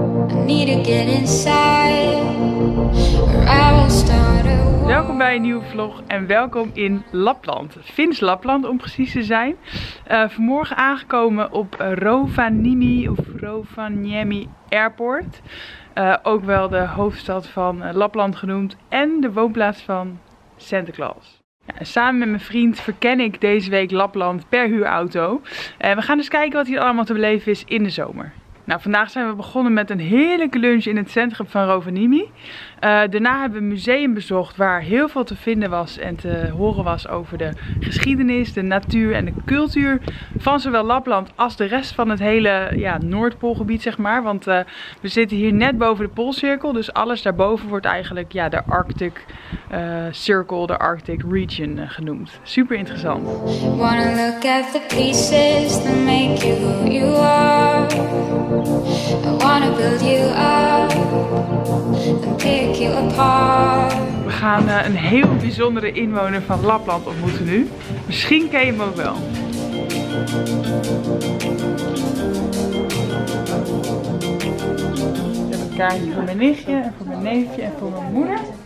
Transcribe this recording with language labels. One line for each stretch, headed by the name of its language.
English: I need to get inside or I will start a war.
Dutch: Welkom bij een nieuwe vlog en welkom in Lapland. Fins Lapland om precies te zijn. Vanmorgen aangekomen op Rovaniemi of Rovaniemi Airport. Ook wel de hoofdstad van Lapland genoemd en de woonplaats van Santa Claus. Ja, samen met mijn vriend verken ik deze week Lapland per huurauto. We gaan eens kijken wat hier allemaal te beleven is in de zomer. Nou, vandaag zijn we begonnen met een heerlijke lunch in het centrum van Rovaniemi. Daarna hebben we een museum bezocht waar heel veel te vinden was en te horen was over de geschiedenis, de natuur en de cultuur van zowel Lapland als de rest van het hele Noordpoolgebied, zeg maar. Want we zitten hier net boven de Poolcirkel, dus alles daarboven wordt eigenlijk de Arctic Circle, de Arctic Region genoemd. Super interessant.
English: Wanna look at the pieces that make you who you are. I wanna build you up and pick you apart.
Dutch: We gaan een heel bijzondere inwoner van Lapland ontmoeten nu. Misschien ken je hem ook wel. Ik heb een kaartje voor mijn nichtje en voor mijn neefje en voor mijn moeder.